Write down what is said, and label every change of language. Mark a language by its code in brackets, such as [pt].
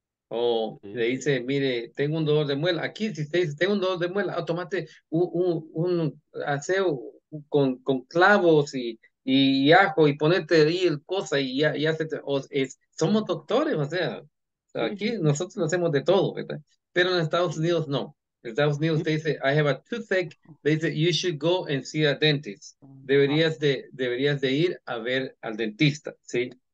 [es] Le dice, mire, tengo un dolor de muela. Aquí, si usted dice, tengo un dolor de muela, tómate un aseo con clavos y ajo y ponerte ahí el cosa y ya se te. Somos doctores, o sea, aquí nosotros lo hacemos de todo, ¿verdad? Pero en Estados Unidos no. En Estados Unidos te dice, [en] I have a toothache. [es] Le dice, [en] you should go and see a dentist. [es] Deberías de ir a ver al dentista, ¿sí?